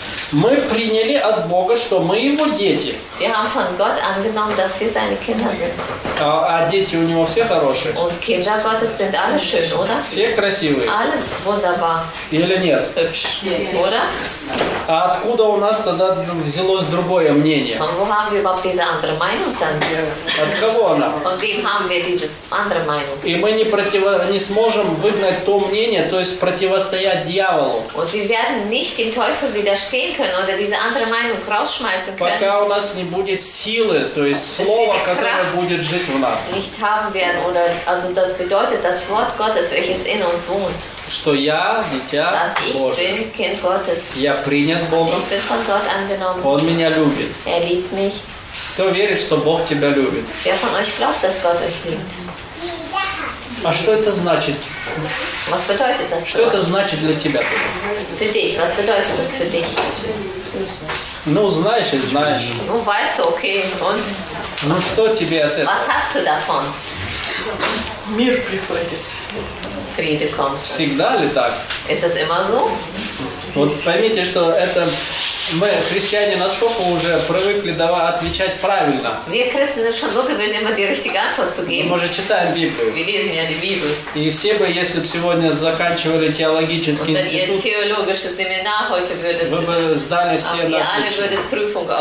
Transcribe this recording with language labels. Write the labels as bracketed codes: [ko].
[ru] Мы приняли от Бога, что мы его дети. [de] Wir haben von Gott angenommen, dass wir seine Kinder sind. [ru] А дети у него все хорошие? [de] Und Kinder Gottes sind alle schön, oder? [ru] Все красивые? [de] Alle wunderbar. [ru] Или нет? [de] Hübsch. Oder? [ru] А откуда у нас тогда взялось другое мнение? [de] Von wo haben wir überhaupt diese andere Meinung dann? [ru] От кого она? [de] Von wem haben wir diese andere Meinung? [ru] И мы не сможем выгнать то мнение, то есть противостоять дьяволу. [de] Und wir werden nicht dem Teufel widerstehen können oder diese andere Meinung rausschmeißen können. [ru] Не будет силы, то есть слово, которое будет жить в нас. [de] Nicht haben werden oder also das bedeutet das Wort Gottes, welches in uns wohnt. [ru] Что я дитя Божие. [de] Ich bin Kind Gottes. [ru] Я принят Богом. [de] Ich bin von Gott angenommen. [ru] Он меня любит. [de] Er liebt mich. [ru] Кто верит, что Бог тебя любит? [de] Wer von euch glaubt, dass Gott euch liebt? [ru] А что это значит? [de] Was bedeutet das? [ru] Что это значит для тебя? [de] Für dich. Was bedeutet das für dich? [ru] Ну, знаешь и знаешь. [de] Ну, weißt du, okay. Und? [ru] Ну, что тебе от этого? [de] Was hast du davon? [ru] Мир приходит. [de] Friede kommt. [ru] Всегда ли так? [de] Ist das immer so? [ru] Вот поймите, что это мы, христиане, настолько уже привыкли отвечать правильно. [de] Wir Christen sind schon so gewöhnt, immer die richtige Antwort zu geben. [ru] Мы же читаем Библию. [de] Wir lesen ja die Bibel. [ru] И все бы, если бы сегодня заканчивали теологический [de] Und [ru] институт, [de] ihr theologische Seminar heute würdet, [ru] вы бы сдали все на отлично. [de] Alle würdet Prüfung auf